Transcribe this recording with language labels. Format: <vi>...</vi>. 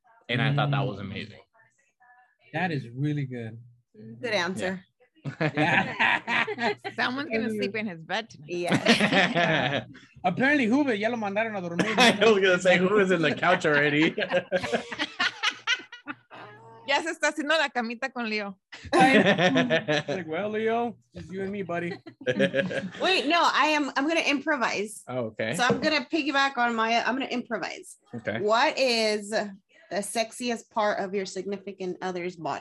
<en>And I thought that was amazing. That is really good. Good answer. Yeah. Yeah. Someone's gonna sleep in his bed tonight. Yeah.</en> <es>Apparently, Hube, ya lo mandaron a dormir.</es> <en>I was gonna say, who is in the couch already?</en> <es>Ya se está haciendo la camita con Leo.</es> <en>Like, well, Leo, it's you and me, buddy. Wait, no, I'm gonna improvise. Oh, okay. So I'm gonna piggyback on Maya. I'm gonna improvise. Okay. What is the sexiest part of your significant other's body?</en>